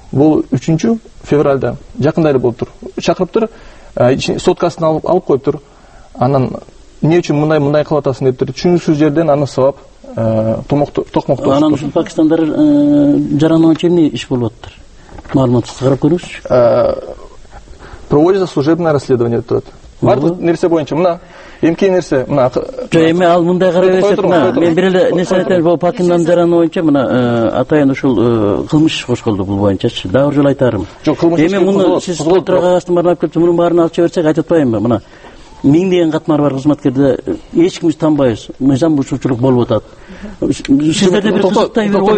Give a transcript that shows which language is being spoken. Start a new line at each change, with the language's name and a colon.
Kyrgyz: Бул 3 февралда жакында эле болуптур. Чакырыптыр, соткасын алып коюптур. Анан эмне үчүн мындай кылып атасың дептир. Түшүнүксүз жерден аны сабап токмокту. Анан ушул Пакистандар жараны боюнча эмне иш болуп атыптыр? Маалыматты карап көрүңүз.
Russian: Проводится служебное расследование
Kyrgyz: деп турат. Бардык нерсе боюнча мына эмки нерсе мына жок эми ал мындай карай берсек мына мен бир эле нерсени айтайын бул Пакистан жараны боюнча мына атайын ушул кылмыш иш козголду бул боюнчачы дагы бир жолу айтаарым жок кылмыш эми муну сиз отура кагаздын баарын алып келипсиз мунун баарын алып берсек айтып атпаймынбы мына миңдеген катмары бар кызматкерде эч кимибиз танбайбыз мыйзам бузуучулук болуп атат сиздерде бир кызыктай бир ой